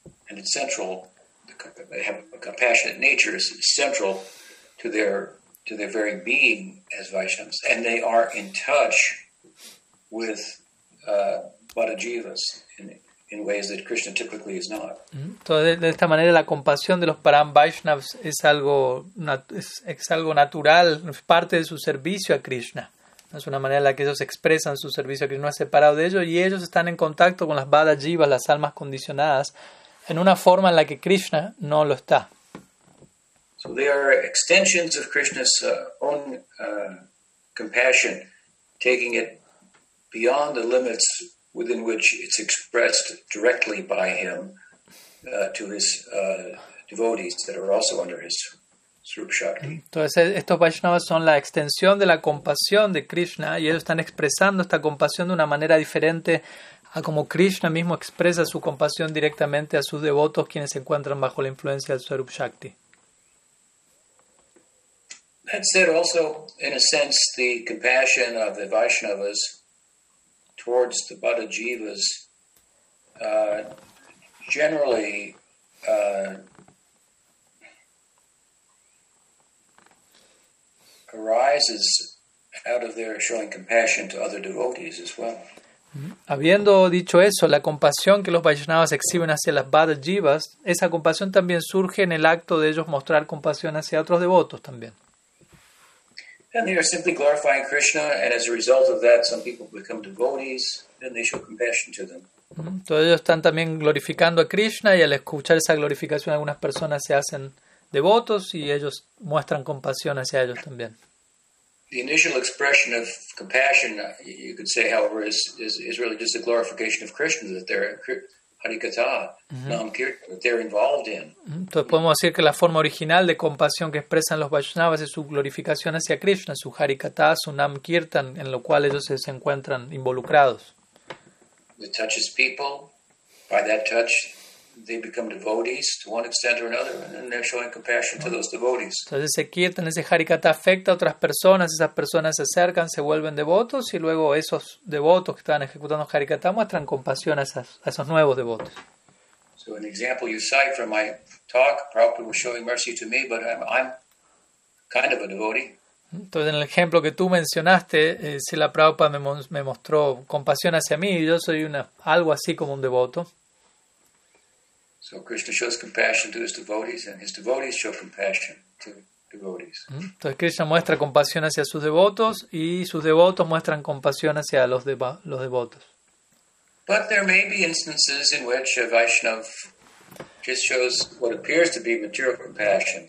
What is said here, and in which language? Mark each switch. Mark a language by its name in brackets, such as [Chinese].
[English] It's central. They have a compassionate nature is central to their very being as Vaishnavas, and they are in touch with Bhadajivas in ways that Krishna typically is not. [Spanish] Entonces, de esta manera, la compasión de los Param Vaishnavas es algo natural, es parte de su servicio a Krishna. Es una manera en la que ellos expresan su servicio, que no es separado de ellos, y ellos están en contacto con las Bada Jivas, las almas condicionadas, en una forma en la que Krishna no lo está. [English] So they are extensions of Krishna's own compassion, taking it beyond the limits within which it's expressed directly by him to his devotees that are also under his. [Spanish] Entonces estos Vaishnavas son la extensión de la compasión de Krishna y ellos están expresando esta compasión de una manera diferente a como Krishna mismo expresa su compasión directamente a sus devotos quienes se encuentran bajo la influencia del Swarup Shakti. [English] That said, also in a sense the compassion of the Vaishnavas towards the Bhadajivas generally arises out of their showing compassion to other devotees as well. [Spanish] Habiendo dicho eso, la compasión que los Vaishnavas exhiben hacia las Bhadajivas, esa compasión también surge en el acto de ellos mostrar compasión hacia otros devotos también. [English] And they are simply glorifying Krishna, and as a result of that, some people become devotees, then they show compassion to them. [Spanish] Todos ellos están también glorificando a Krishna, y al escuchar esa glorificación, algunas personas se hacen devotos y ellos muestran compasión hacia ellos también. [English] The initial expression of compassion, you could say, however, is really just a glorification of Krishna that they're harikatha, namkirtan, that they're involved in. [Spanish] Entonces podemos decir que la forma original de compasión que expresan los Vaishnavas es su glorificación hacia Krishna, su harikatha, su namkirtan, en lo cual ellos se encuentran involucrados. [English] It touches people by that touch. They become devotees to one extent or another, and then they're showing compassion to those devotees. [Spanish] Entonces ese kirtan, ese harikata afecta a otras personas, esas personas se acercan, se vuelven devotos, y luego esos devotos que están ejecutando harikata muestran compasión a esos nuevos devotos. [English] So an example you cite from my talk, Prabhupada was showing mercy to me, but I'm kind of a devotee. [Spanish] Entonces en el ejemplo que tú mencionaste, Srila Prabhupada me mostró compasión hacia mí, y yo soy algo así como un devoto. [English] So Krishna shows compassion to his devotees, and his devotees show compassion to devotees. [Spanish] Entonces Krishna muestra compasión hacia sus devotos, y sus devotos muestran compasión hacia los devotos. [English] But there may be instances in which a Vaishnava just shows what appears to be material compassion.